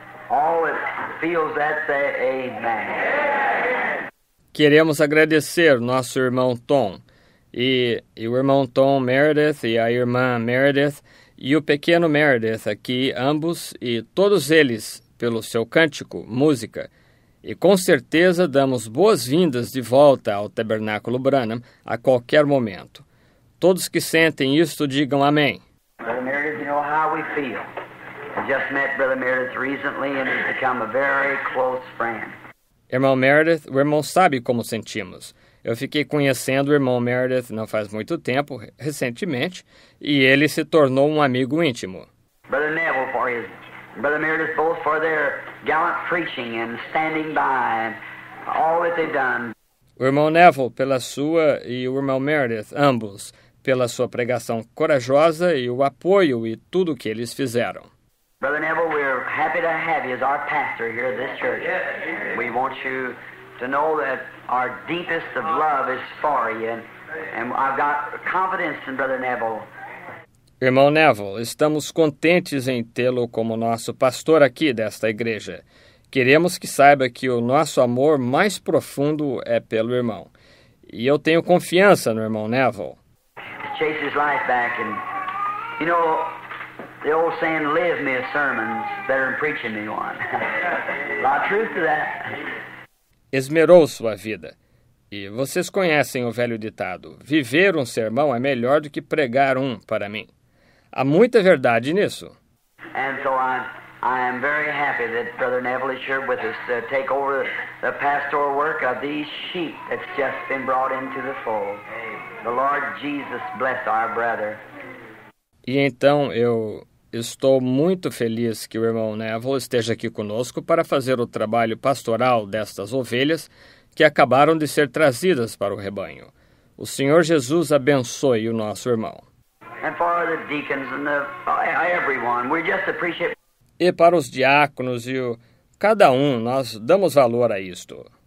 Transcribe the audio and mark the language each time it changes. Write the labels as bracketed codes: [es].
[en] All that feels that, say amen. [pt] Queremos agradecer nosso irmão Tom e o irmão Tom Meredith e a irmã Meredith e o pequeno Meredith aqui, ambos e todos eles, pelo seu cântico, música. E com certeza damos boas-vindas de volta ao Tabernáculo Branham a qualquer momento. Todos que sentem isto, digam amém. [en] Brother Meredith, you know how we feel. I just met Brother Meredith recently and he's become a very close friend. [pt] Irmão Meredith, o irmão sabe como sentimos. Eu fiquei conhecendo o irmão Meredith não faz muito tempo, recentemente, e ele se tornou um amigo íntimo. [en] Brother Neville, for his, Brother Meredith, both for their gallant preaching and standing by and all that they've done. [pt] O irmão Neville, pela sua, e o irmão Meredith, ambos, pela sua pregação corajosa e o apoio e tudo o que eles fizeram. [en] Brother Neville, we're happy to have you as our pastor here at this church. We want you to know that our deepest of love is for you, and I've got confidence in Brother Neville. [pt] Irmão Neville, estamos contentes em tê-lo como nosso pastor aqui desta igreja. Queremos que saiba que o nosso amor mais profundo é pelo irmão. E eu tenho confiança no irmão Neville. [en] Chase his life back and, you know, the old saying, live me a sermon, better than preaching me one. A lot of truth to that. [pt] Esmerou sua vida. E vocês conhecem o velho ditado, viver um sermão é melhor do que pregar um para mim. Há muita verdade nisso. [en] And so I am very happy that Brother Neville is here with us to take over the pastoral work of these sheep that's just been brought into the fold. The Lord Jesus bless our brother. [pt] E então eu estou muito feliz que o irmão Neville esteja aqui conosco para fazer o trabalho pastoral destas ovelhas que acabaram de ser trazidas para o rebanho. O Senhor Jesus abençoe o nosso irmão. [en] And for the deacons and everyone, we just appreciate. [pt] E para os diáconos e cada um, nós damos valor a isto.